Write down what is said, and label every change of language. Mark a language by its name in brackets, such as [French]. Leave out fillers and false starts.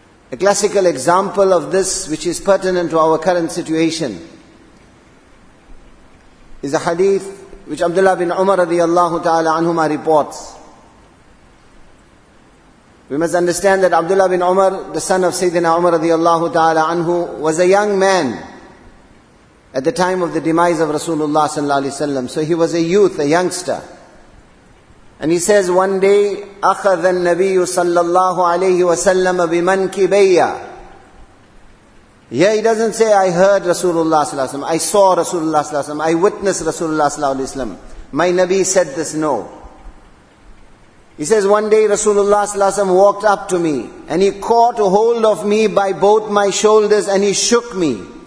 [English] A classical example of this, which is pertinent to our current situation, is a hadith which Abdullah bin Umar radiallahu ta'ala anhuma reports. We must understand that Abdullah bin Umar, the son of Sayyidina Umar radiallahu ta'ala anhu, was a young man at the time of the demise of Rasulullah sallallahu alaihi wasallam. So he was a youth, a youngster. And he says, one day, [Arabic] أخذ النبي صلى الله عليه وسلم بمنكبي. [English] Yeah, he doesn't say, I heard Rasulullah [Arabic] صلى الله عليه وسلم, [English] I saw Rasulullah صلى الله عليه وسلم, I witnessed Rasulullah صلى الله عليه وسلم, my Nabi said this, no. He says, one day Rasulullah [Arabic] صلى الله عليه وسلم [English] walked up to me and he caught a hold of me by both my shoulders and he shook me.